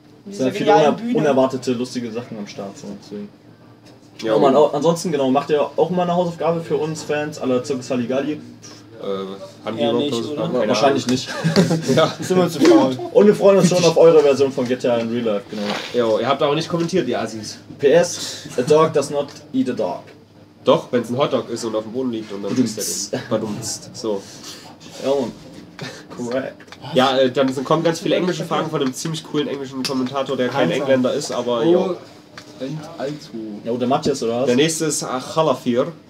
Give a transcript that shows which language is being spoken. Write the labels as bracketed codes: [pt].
[de] Es sind halt viele unerwartete, lustige Sachen am Start. So. Deswegen. Ja, oh man, ansonsten, genau, macht ihr auch mal eine Hausaufgabe für uns Fans, alle Zirkus Halligalli? Haben die überhaupt Hausaufgaben? Wahrscheinlich nicht. Ja. Sind wir zu faul. Und wir freuen uns schon auf eure Version von GTA in Real Life, genau. Jo, ihr habt aber nicht kommentiert, ihr Assis. [en] PS, a dog does not eat a dog. [de] Doch, wenn es ein Hotdog ist und auf dem Boden liegt und dann ist er den. Badumst. So. Ja, man. Correct. Ja, dann kommen ganz viele englische Fragen von einem ziemlich coolen englischen Kommentator, der kein Engländer ist, aber jo. Ja, oder Matthias oder was? Der nächste ist Achalafir.